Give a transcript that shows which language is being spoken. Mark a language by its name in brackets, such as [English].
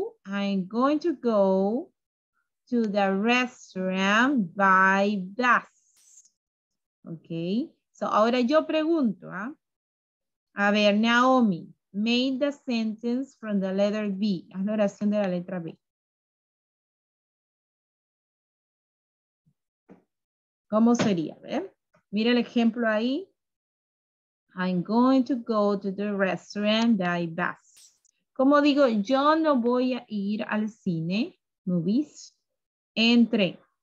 [English] I'm going to go to the restaurant by bus. Okay. [Spanish] So ahora yo pregunto, ¿eh? A ver, Naomi. [English] Made the sentence from the letter B. [Spanish] Haz la oración de la letra B. ¿Cómo sería? A ver. Mira el ejemplo ahí. [English] I'm going to go to the restaurant by bus. [Spanish] ¿Cómo digo? Yo no voy a ir al cine, movies, entre.